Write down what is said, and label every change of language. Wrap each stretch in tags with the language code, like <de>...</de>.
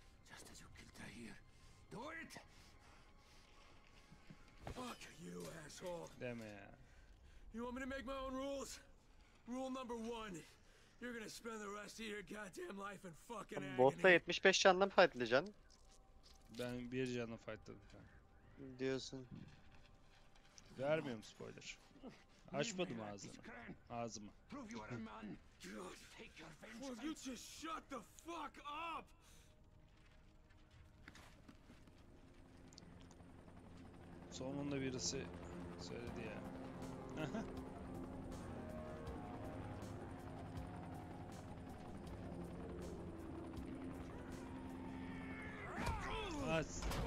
<en>Just as you killed Tahir. Do it! Fuck you, asshole. Damn it. You want me to make my own rules? Rule number one. You're gonna spend the rest of your goddamn life in fucking agony.</en> <tr>Botta 75 canla mı fight edeceksin? Ben bir canla fightladım. Diyorsun. Vermiyorum spoiler. Açmadım ağzımı.</tr> <en>Prove you are a man. Take your vengeance. Will you just shut the fuck up?</en> <tr>Sonunda birisi söyledi ya. As.</tr>